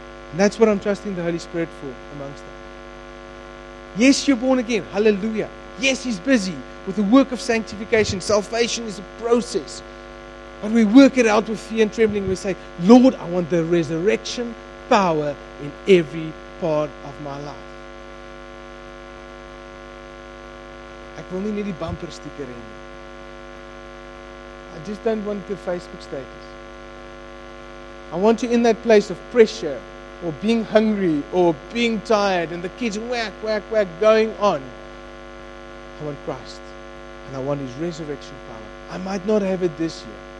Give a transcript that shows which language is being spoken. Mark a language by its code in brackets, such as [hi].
[en] And that's what I'm trusting the Holy Spirit for amongst us. Yes, you're born again. Hallelujah. Yes, he's busy with the work of sanctification. Salvation is a process. But we work it out with fear and trembling. We say, Lord, I want the resurrection power in every part of my life. [af] Ek wil nie net die bumper sticker hê nie. [en] I just don't want the Facebook status. I want you in that place of pressure or being hungry or being tired and the kids whack, whack, whack going on. I want Christ and I want His resurrection power. I might not have it this year.